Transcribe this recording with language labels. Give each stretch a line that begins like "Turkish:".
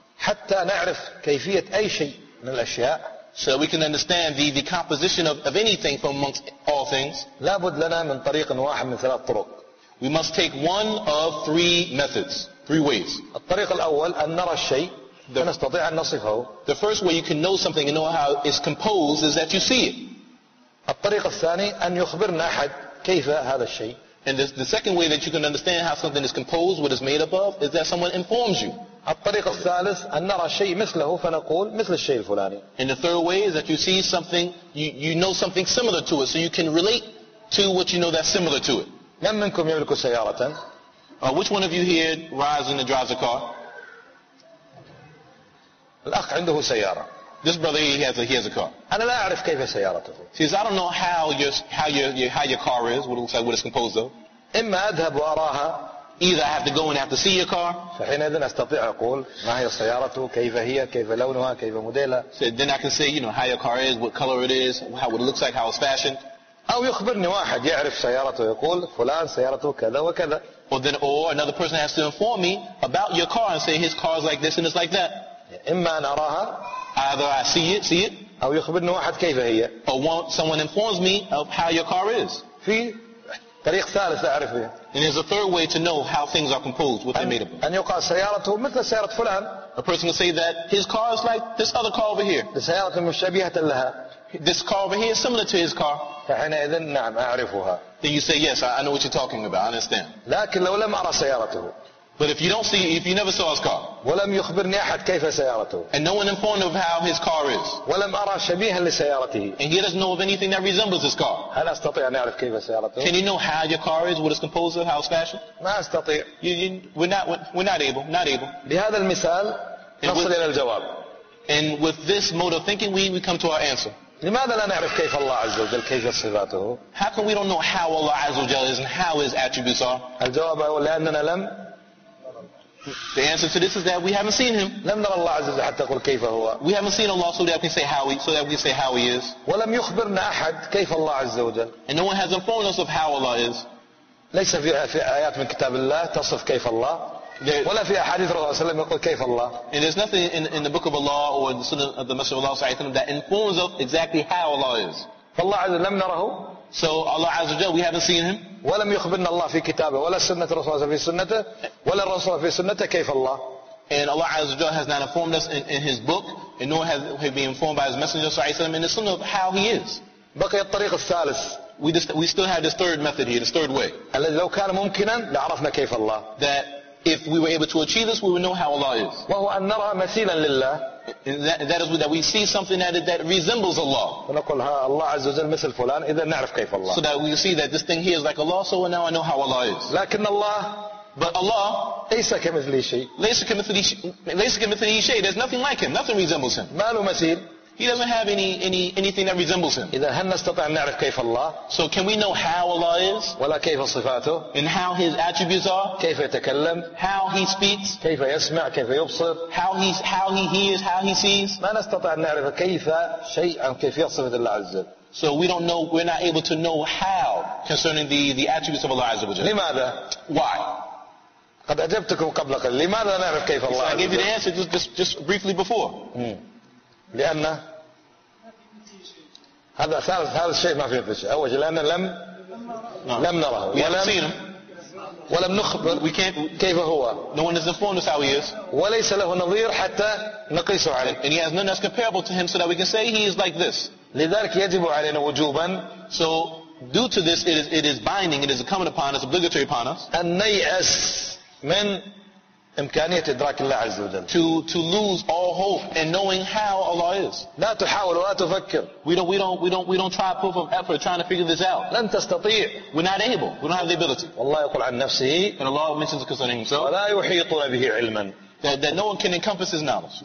Arabic: حتى نعرف كيفية أي شيء من الأشياء.
English: So we can understand the composition of anything from amongst all things.
Arabic: لابد لنا من طريق واحد من ثلاث طرق.
English: We must take one of three methods, three ways.
Arabic: الطريق الأول أن نرى الشيء فنستطيع أن نصفه.
English: The first way you can know something and know how it's composed is that you see it.
Arabic: الطريق الثاني أن يخبرنا أحد كيف هذا الشيء.
English: And the second way that you can understand how something is composed, what is made above, is that someone informs you.
Arabic: الطريق الثالث أن نرى شيء مثله فنقول مثل الشيء الفلاني.
English: And the third way is that you see something, you know something similar to it, so you can relate to what you know that's similar to it.
Arabic: من منكم يملك سيارة؟
English: Which one of you here rides and drives a car?
Arabic: الأخ عنده سيارة.
English: This brother here he has a car.
Arabic: أنا لا أعرف كيف سيارته.
English: Says I don't know how your car is, what it looks like, what it's composed of.
Arabic: إما أذهب وأراها.
English: Either I have to go and I have to see your car.
Arabic: فحينئذ أستطيع أقول ما هي سيارته، كيف هي، كيف لونها، كيف موديلها.
English: So then I can say, you know, how your car is, what color it is, what it looks like, how it's fashioned.
Arabic: أو يخبرني واحد يعرف سيارته يقول فلان سيارته كذا وكذا.
English: Or then, or another person has to inform me about your car and say his car is like this and it's like that.
Arabic: إما أن أراها.
English: Either I see it.
Arabic: أو يخبرني واحد كيف هي.
English: Or someone informs me of how your car is.
Arabic: في طريق ثالث أعرف فيه.
English: And there's a third way to know how things are composed, what they're made of.
Arabic: أن يقال سيارته مثل سيارة فلان.
English: A person will say that his car is like this other car over here.
Arabic: سيارة مشابهة لها.
English: This car over here is similar to his car.
Arabic: فحينئذ نعم أعرفها.
English: Then you say yes, I know what you're talking about. I understand.
Arabic: لكن لو لم أرى سيارته.
English: But if you don't see, if you never saw his car.
Arabic: ولم يخبرني أحد كيف سيارته.
English: And no one informed of how his car is.
Arabic: ولم أرى شبيها لسيارته.
English: And he doesn't know of anything that resembles his car.
Arabic: هل أستطيع أن أعرف كيف سيارته؟
English: Can you know how your car is, what it's composed of, how it's fashioned?
Arabic: ما أستطيع.
English: We're not able.
Arabic: بهذا المثال نصل إلى الجواب.
English: And with this mode of thinking, we come to our answer.
Arabic: لماذا لا نعرف كيف الله عز وجل كيف صفاته؟
English: How come we don't know how Allah
Arabic: عز وجل
English: is and how his attributes are?
Arabic: الجواب هو لأننا لم.
English: The answer to this is that we haven't seen him.
Arabic: لم نرى الله عز وجل حتى نقول كيف هو.
English: We haven't seen Allah so that we can say how he is.
Arabic: ولم يخبرنا أحد كيف الله عز وجل.
English: And no one has informed us of how Allah is.
Arabic: ليس في آيات من كتاب الله تصف كيف الله. ولا في أحاديث رسول الله صلى الله عليه وسلم يقول كيف الله.
English: And there's nothing in the book of Allah or the Sunnah of the Messenger of Allah
Arabic: صلى الله عليه وسلم
English: that informs us exactly how Allah is.
Arabic: فالله عز وجل لم نره.
English: So Allah
Arabic: عز وجل
English: we haven't seen him.
Arabic: ولم يخبرنا الله في كتابه ولا سنة رسوله في سنته ولا الرسول في سنته كيف الله.
English: And Allah
Arabic: عز وجل
English: has not informed us in his book and nor has he been informed by his Messenger
Arabic: صلى الله عليه وسلم
English: in the Sunnah of how he is.
Arabic: بقي الطريق الثالث.
English: We still have this third method here, this third way.
Arabic: الذي لو كان ممكنا لعرفنا كيف الله.
English: That if we were able to achieve this, we would know how Allah is.
Arabic: وهو أن نرى مثيلا لله.
English: That is that we see something that resembles Allah.
Arabic: ونقول ها الله عز وجل مثل فلان إذا نعرف كيف الله.
English: So that we see that this thing here is like Allah, so now I know how Allah is.
Arabic: لكن الله.
English: But Allah.
Arabic: ليس كمثله شيء. ليس كمثله شيء.
English: There's nothing like him. Nothing resembles him.
Arabic: ما له مثيل.
English: He doesn't have anything that resembles him.
Arabic: إذا هل نستطيع أن نعرف كيف الله.
English: So can we know how Allah is?
Arabic: ولا كيف صفاته.
English: And how his attributes are?
Arabic: كيف يتكلم.
English: How he speaks?
Arabic: كيف يسمع كيف يبصر.
English: How he hears how he sees.
Arabic: ما نستطيع أن نعرف كيف شيء أو كيف يصف الله عز وجل.
English: So we don't know. We're not able to know how concerning the attributes of Allah
Arabic: عز وجل. لماذا.
English: Why.
Arabic: قد أجبتكم قبل قليل. لماذا نعرف كيف الله.
English: So I gave you the answer just briefly before.
Arabic: لأن هذا ثالث شيء ما فيه شيء. أول شيء لأن لم لم نراه. ولم نخبر كيف هو.
English: No one is informed us how he is.
Arabic: وليس له نظير حتى نقيسه عليه.
English: And he has none that's comparable to him so that we can say he is like this.
Arabic: لذلك يجب علينا وجوبا.
English: So due to this it is binding, it is coming upon us, obligatory upon us.
Arabic: أن نيأس من إمكانية إدراك الله عز وجل.
English: To lose all hope in knowing how Allah is.
Arabic: لا تحاول ولا تفكر.
English: We don't try a proof of effort trying to figure this out.
Arabic: لن تستطيع.
English: We're not able. We don't have the ability.
Arabic: والله يقول عن نفسه.
English: And Allah mentions concerning himself.
Arabic: ولا يحيطون به علما.
English: That no one can encompass his knowledge.